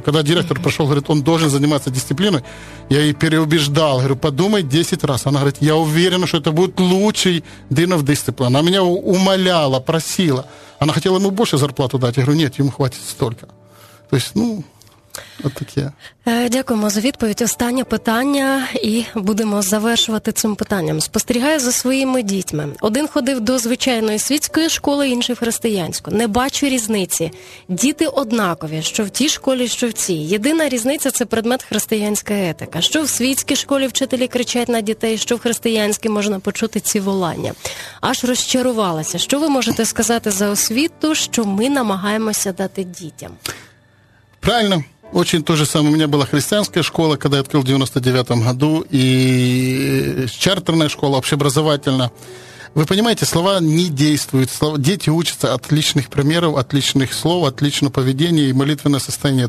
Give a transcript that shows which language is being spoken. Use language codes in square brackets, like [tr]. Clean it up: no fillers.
[ru] Когда директор пришел, говорит, он должен заниматься дисциплиной, я ей переубеждал. Говорю, подумай 10 раз. Она говорит, я уверена, что это будет лучший Dean of Discipline. Она меня умоляла, просила. Она хотела ему больше зарплату дать. Я говорю, нет, ему хватит столько. То есть, ну... [uk] От таке. Дякуємо за відповідь. Останнє питання, і будемо завершувати цим питанням. Спостерігаю за своїми дітьми. Один ходив до звичайної світської школи, інший християнську. Не бачу різниці. Діти однакові, що в тій школі, що в цій. Єдина різниця – це предмет християнська етика. Що в світській школі вчителі кричать на дітей, що в християнській можна почути ці волання. Аж розчарувалася. Що ви можете сказати за освіту, що ми намагаємося дати дітям? [ru] Правильно. Очень то же самое. У меня была христианская школа, когда я открыл в 99-м году, и чартерная школа, общеобразовательная. Вы понимаете, слова не действуют. Дети учатся от личных примеров, от личных слов, от личного поведения и молитвенное состояние.